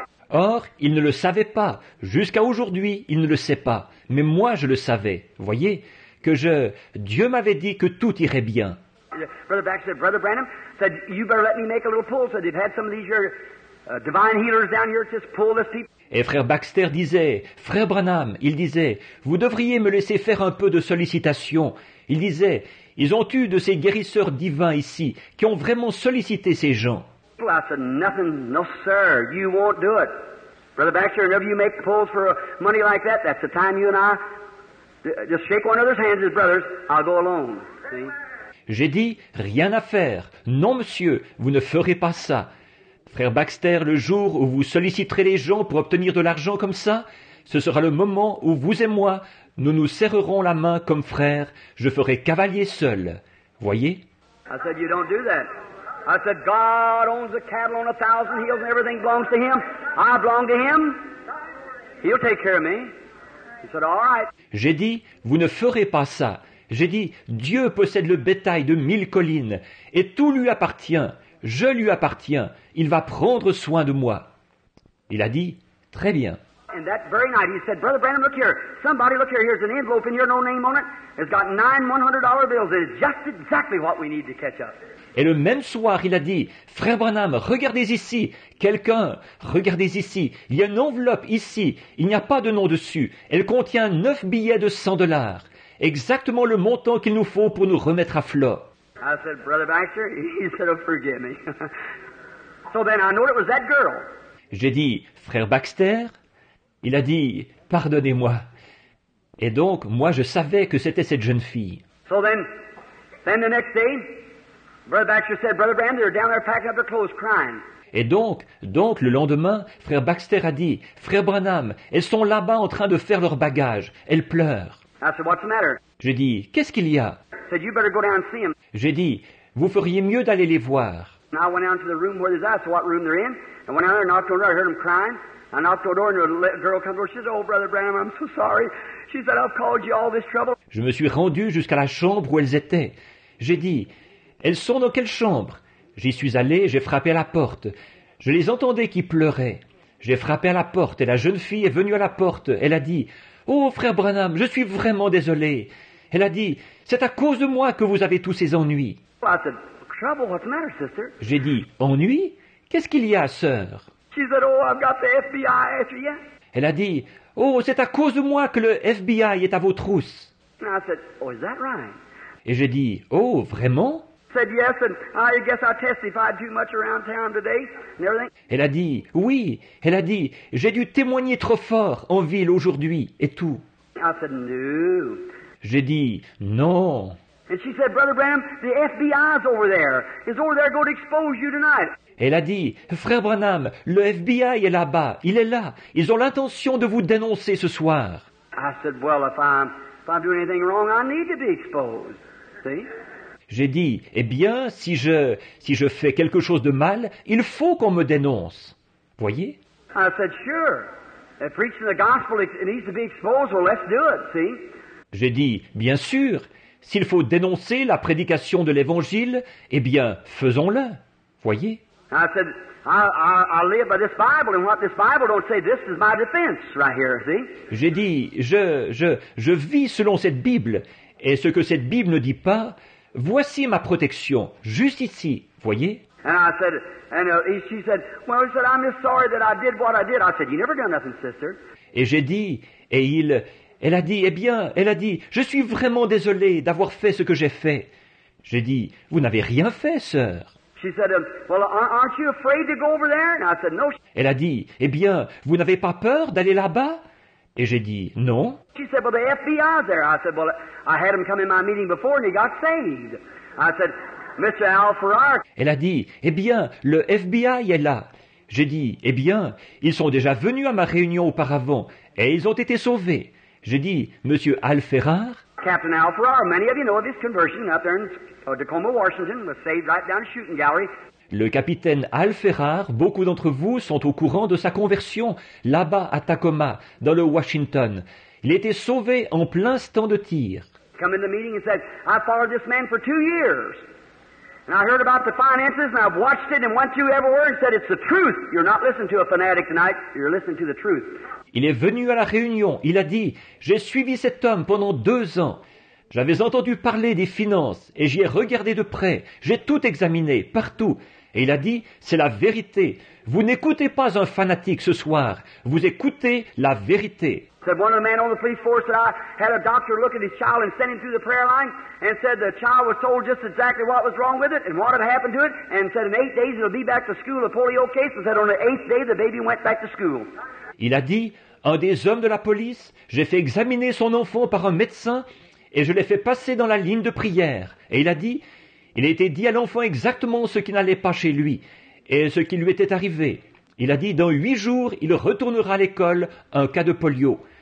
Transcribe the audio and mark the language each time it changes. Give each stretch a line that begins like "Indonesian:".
French: Or, il ne le savait pas. Jusqu'à aujourd'hui, il ne le sait pas. Mais moi, je le savais. Voyez, que Dieu m'avait dit que tout irait bien.
English: Brother Baxter said, Brother Branham said, you better let me make a little pull. So they've had some of these your divine healers down here just pull this people.
French: Et Frère Baxter disait, Frère Branham, il disait, vous devriez me laisser faire un peu de sollicitation. Il disait, ils ont eu de ces guérisseurs divins ici qui ont vraiment sollicité ces gens.
English: Well, I said, nothing, no sir, you won't do it. Brother Baxter, whenever you make pulls for money like that, that's the time you and I just shake one another's hands as brothers, I'll go alone. See?
French: J'ai dit, rien à faire. Non, monsieur, vous ne ferez pas ça. Frère Baxter, le jour où vous solliciterez les gens pour obtenir de l'argent comme ça, ce sera le moment où vous et moi, nous nous serrerons la main comme frères. Je ferai cavalier seul. Voyez?
English: I said, you don't do that. I said, God owns the cattle on a thousand hills and everything belongs to him. I belong to him. He'll take care of me. He said, all right.
French: J'ai dit, vous ne ferez pas ça. J'ai dit, Dieu possède le bétail de 1000 collines et tout lui appartient. Je lui appartiens. Il va prendre soin de moi. Il a dit, très bien.
English: And that very night he said, Brother Branham, look here. Somebody look here. Here's an envelope and your no name on it. It's got 9 $100 bills. It's just exactly what we need to catch up.
French: Et le même soir, il a dit, Frère Branham, regardez ici. Quelqu'un, regardez ici. Il y a une enveloppe ici. Il n'y a pas de nom dessus. Elle contient 9 billets de $100. Exactement le montant qu'il nous faut pour nous remettre à flot.
English: I said, Brother Baxter, he said, oh, forgive me. So then I know it was that girl.
French: J'ai dit, Frère Baxter, il a dit, pardonnez-moi. Et donc, moi, je savais que c'était cette jeune fille.
English: So then the next day, Brother Baxter said, Brother Branham, they're down there packing up their clothes, crying.
French: Et donc, le lendemain, Frère Baxter a dit, Frère Branham, elles sont là-bas en train de faire leurs bagages. Elles pleurent.
English: I said, what's the matter?
French: J'ai dit, qu'est-ce qu'il y a?
English: Said, you better go down and see them.
French: J'ai dit, vous feriez mieux d'aller les voir.
English: And I went down to the room where they were, so what room they're in. I went down there and knocked on the door, I heard them crying. I knocked on the door and the girl comes over, she said, oh, Brother Branham, I'm so sorry. She said, I've called you all this trouble.
French: Je me suis rendu jusqu'à la chambre où elles étaient. J'ai dit, elles sont dans quelle chambre? J'y suis allé, j'ai frappé à la porte. Je les entendais qui pleuraient. J'ai frappé à la porte et la jeune fille est venue à la porte. Elle a dit, oh, Frère Branham, je suis vraiment désolé. Elle a dit, c'est à cause de moi que vous avez tous ces ennuis.
English: Well, I said, trouble, what's the matter, sister?
French: J'ai dit, ennuis? Qu'est-ce qu'il y a, sœur?
English: She said, oh, I've got the FBI after you.
French: Elle a dit, oh, c'est à cause de moi que le FBI est à vos trousses.
English: And I said, oh, is that right?
French: Et j'ai dit, oh, vraiment?
English: Said yes, and I guess I testified too much around town today and everything.
French: Elle a dit, oui. Elle a dit, j'ai dû témoigner trop fort en ville aujourd'hui et tout.
English: I said no.
French: J'ai dit non.
English: And she said, Brother Branham, the FBI's over there. He's over there going to expose you tonight.
French: Elle a dit, Frère Branham, le FBI est là-bas. Il est là. Ils ont l'intention de vous dénoncer ce soir.
English: I said, well, if I'm doing anything wrong, I need to be exposed. See?
French: J'ai dit, eh bien, si je fais quelque chose de mal, il faut qu'on me dénonce. Voyez?
English: I said, sure. If preaching the gospel it needs to be exposed, well, let's do it, see?
French: J'ai dit, bien sûr, s'il faut dénoncer la prédication de l'Évangile, eh bien, faisons-le. Voyez?
English: I said, I live by this Bible, and what this Bible don't say, this is my defense right here, see?
French: J'ai dit, je vis selon cette Bible, et ce que cette Bible ne dit pas, voici ma protection, juste ici, voyez?
English: And I said, and she said, well, she said, I'm just sorry that I did what I did. I said, you never done nothing, sister.
French: Et j'ai dit, et il, elle a dit, eh bien, elle a dit, je suis vraiment désolé d'avoir fait ce que j'ai fait. J'ai dit, vous n'avez rien fait, sœur.
English: She said, well, aren't you afraid to go over there? And I said, no.
French: Elle a dit, eh bien, vous n'avez pas peur d'aller là-bas? Et j'ai dit, non.
English: She said, well, the FBI's there. I said, well, I had him come in my meeting before and he got saved. I said, Mr. Al Farrar.
French: Elle a dit, eh bien, le FBI est là. J'ai dit, eh bien, ils sont déjà venus à ma réunion auparavant et ils ont été sauvés. J'ai dit, Monsieur Al Farrar.
English: Captain Al Farrar, many of you know of his conversion up there in Tacoma, Washington, was saved right down the shooting gallery.
French: Le capitaine Al Farrar, beaucoup d'entre vous sont au courant de sa conversion là-bas à Tacoma, dans le Washington. Il était sauvé en plein stand de tir.
English: Come in the meeting and said, I followed this man for 2 years. And I heard about the finances and I've watched it and went through every word and said, it's the truth. You're not listening to a fanatic tonight, you're listening to the truth.
French: Il est venu à la réunion, il a dit, j'ai suivi cet homme pendant 2 ans. J'avais entendu parler des finances et j'y ai regardé de près. J'ai tout examiné, partout. Et il a dit, c'est la vérité. Vous n'écoutez pas un fanatique ce soir. Vous écoutez la vérité.
English: Said one of the men on the police force that I had a doctor look at his child and send him through the prayer line and said the child was told just exactly what was wrong with it and what had happened to it and said in 8 days he'll be back to school, a polio case, and said on the 8th day the baby went back to school.
French: Il a dit, un des hommes de la police, j'ai fait examiner son enfant par un médecin et je l'ai fait passer dans la ligne de prière. Et il a dit, il a été dit à l'enfant exactement ce qui n'allait pas chez lui et ce qui lui était arrivé. Il a dit, dans 8 jours, il retournera à l'école, un cas de polio.